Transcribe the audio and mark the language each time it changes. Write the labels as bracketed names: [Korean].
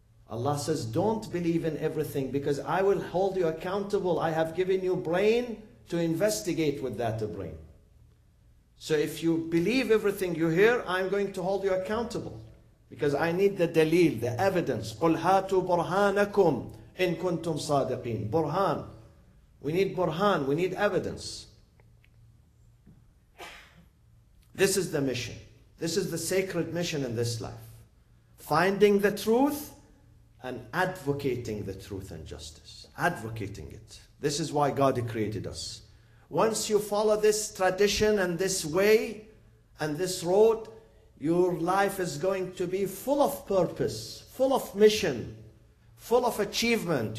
[English] Allah says, don't believe in everything because I will hold you accountable. I have given you brain to investigate with that brain. So if you believe everything you hear, I'm going to hold you accountable. Because I need the dalil, the evidence. [Arabic] قُلْ هَاتُوا بُرْهَانَكُمْ إِن كُنْتُمْ صَادِقِينَ Burhan. [English] We need burhan, we need evidence. This is the mission. This is the sacred mission in this life. Finding the truth and advocating the truth and justice. Advocating it. This is why God created us. Once you follow this tradition and this way and this road, your life is going to be full of purpose, full of mission, full of achievement.